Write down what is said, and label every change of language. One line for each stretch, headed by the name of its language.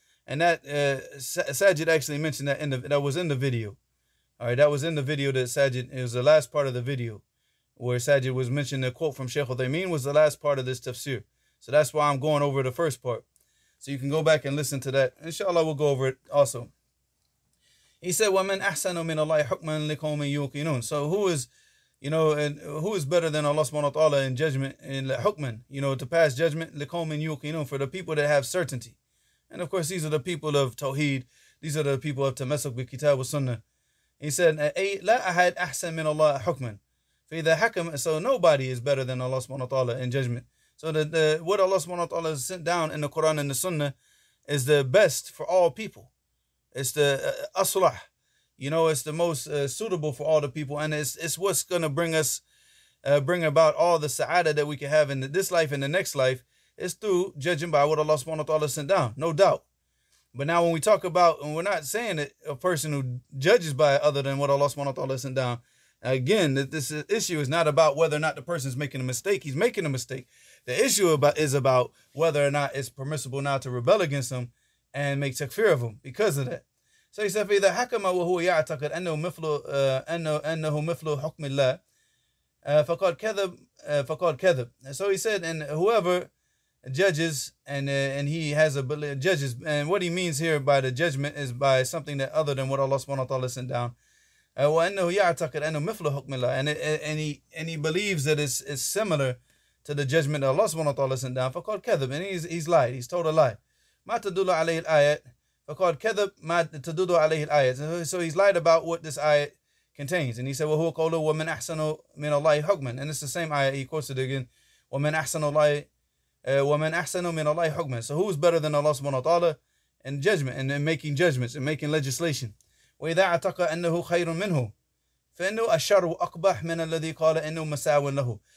English: And that, Sajid actually mentioned that that was in the video. All right, that was in the video that Sajid, it was the last part of the video where Sajid was mentioning the quote from Sheikh Uthaymeen was the last part of this tafsir. So that's why I'm going over the first part. So you can go back and listen to that. Inshallah, we'll go over it also. He said,
Arabic: وَمَنْ أَحْسَنُ مِنَ اللَّهِ حُكْمًا لِكَوْمٍ يُوقِنُونَ.
English: So who is, you know, and who is better than Allah subhanahu wa ta'ala in judgment, in حُكْمًا, you know, to pass judgment,
Arabic: لِكَوْمٍ يُوقِنُونَ,
English: for the people that have certainty. And of course, these are the people of Tawheed. These are the people of Tamasuk bi Kitab wa Sunnah. He said,
Arabic: لَا أَحَدْ أَحْسَنُ مِنَ اللَّهِ حُكْمًا.
English: So nobody is better than Allah subhanahu wa ta'ala in judgment. So the what Allah subhanahu wa ta'ala has sent down in the Quran and the Sunnah is the best for all people. It's the aslah. You know, it's the most suitable for all the people. And it's what's going to bring us, bring about all the sa'adah that we can have in this life and the next life. It's through judging by what Allah subhanahu wa ta'ala sent down, no doubt. But now when we talk about, and we're not saying that a person who judges by it other than what Allah subhanahu wa ta'ala sent down, again, this issue is not about whether or not the person is making a mistake. He's making a mistake. The issue is about whether or not it's permissible now to rebel against him and make takfir of him because of that. So he said,
Arabic: فَإِذَا حَكَمَ وَهُوَ يَعْتَقَدْ أَنَّهُ مِفْلُ حُكْمِ اللَّهِ فَقَدْ كَذَبْ.
English: So he said, and whoever judges and he has a belief, judges, and what he means here by the judgment is by something that other than what Allah subhanahu wa ta'ala sent down. And he believes that it's similar to the judgment that Allah subhanahu wa ta'ala sent down,
Arabic: فَقَدْ كَذَبْ,
English: and he's lied, he's told a lie.
Arabic: مَا تَدُلُ عَلَيْهِ الْآيَةِ فَقَدْ كَذَبْ مَا تَدُلُ عَلَيْهِ الْآيَةِ.
English: So he's lied about what this ayat contains. And he said,
Arabic: وَهُوَ قَوْلُ وَمَنْ أَحْسَنُ مِنَ اللَّهِ حُكْمًا.
English: And it's the same ayat, he quotes it again.
Arabic: وَمَنْ أَحْسَنُ مِنَ اللَّهِ حُكْمًا.
English: So who's better than Allah subhanahu wa ta'ala in judgment and in making judgments and making legislation?
Arabic: وَإِذَا عَتَقَ أَنَّهُ خَيْرٌ مِّنْهُ فَإِنُّ أَشَّرُ أَقْبَحْ مِنَ الَّذِي قَالَ إِنُّ مَسَاوٍ لَهُ.